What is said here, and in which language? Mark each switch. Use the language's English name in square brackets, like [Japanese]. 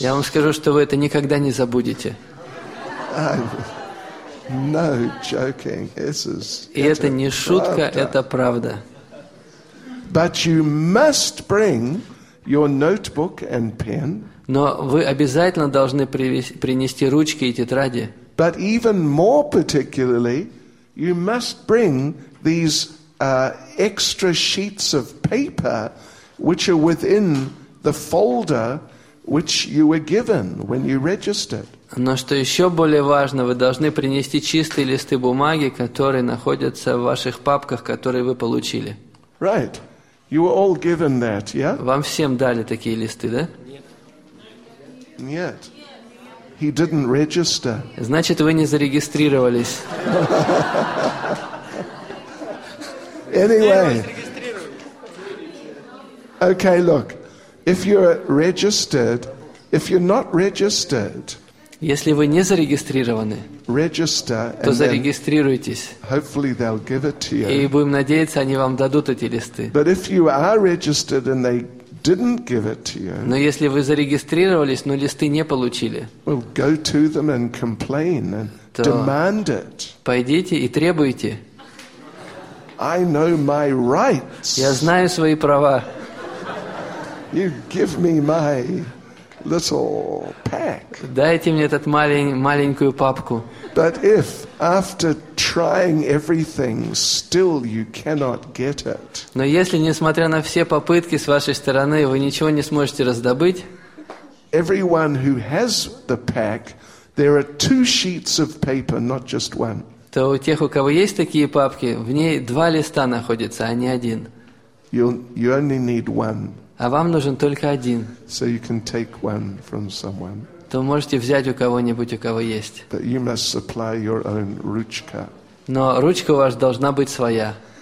[Russian] Я вам скажу, что вы это никогда не забудете. [English] No joking. This is. [Russian] И это не шутка, это правда. [English] But you must bring your notebook and pen. [Russian] Но вы обязательно должны принести ручки и тетради. [English] But even more particularly, you must bring these extra sheets of paper, which are within the folder which you were given when you registered. [Russian] Но что еще более важно, вы должны принести чистые листы бумаги, которые находятся в ваших папках, которые вы получили. [English] Right. You were all given that, yeah? [Russian] Вам всем дали такие листы, да? Нет. [English] He didn't register. [Russian] Значит, вы не зарегистрировались. [English] Anyway. Okay, look. If you're registered, if you're not registered, [Russian] если вы не зарегистрированы, [English] register, [Russian] то зарегистрируйтесь. [English] Hopefully they'll give it to you. [Russian] И будем надеяться, они вам дадут эти листы. [English] But if you are registered and they didn't give it to you, [Russian] но если вы зарегистрировались, но листы не получили, [English] well, go to them and complain and demand it. [Russian] Пойдите и требуйте. [English] I know my rights. [Russian] Я знаю свои права. [English] You give me my little pack. [Russian] Дайте мне этот маленькую папку. [English] But if after trying everything still you cannot get it. [Russian] Но если несмотря на все попытки с вашей стороны вы ничего не сможете раздобыть. [English] Everyone who has the pack, there are two sheets of paper, not just one. [Russian] То у тех, у кого есть такие папки, в ней два листа находятся, а не один. [English] You only need one. [Russian] А вам нужен только один. [English] So you can take one from someone. [Russian] То можете взять у кого-нибудь, у кого есть. [English] But you must supply your own [Russian] ручка. [English] Но ручка у вас должна быть своя.